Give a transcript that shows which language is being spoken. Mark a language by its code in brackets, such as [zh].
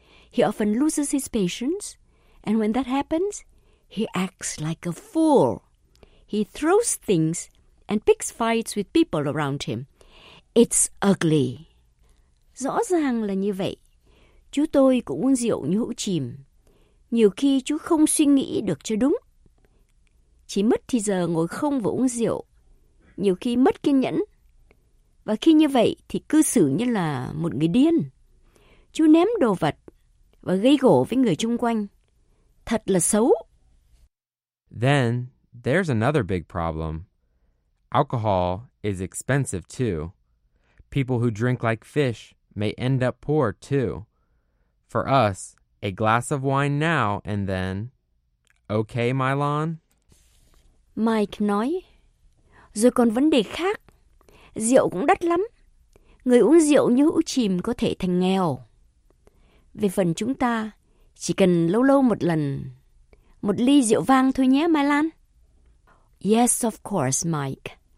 [en] He often loses his patience, and when that happens, he acts like a fool. He throws things and picks fights with people around him. It's ugly. [vi] Rõ ràng là như vậy. Chú tôi cũng uống rượu như hũ chìm. Nhiều khi chú không suy nghĩ được cho đúng. Chỉ mất thì giờ ngồi không và uống rượu. Nhiều khi mất kiên nhẫn. Và khi như vậy thì cư xử như là một người điên. Chú ném đồ vật và gây gổ với người chung quanh. Thật là xấu. [en] Then, there's another big problem. Alcohol is expensive too. People who drink like fish may end up poor too. For us, a glass of wine now and then. Okay, Mylon? [vi] Mike nói, rồi còn vấn đề khác. Rượu cũng đắt lắm. Người uống rượu như hũ chìm có thể thành nghèo. Về phần chúng ta, chỉ cần lâu lâu một lần. Một ly rượu vang thôi nhé, Mylon. [en] Yes, of course, Mike.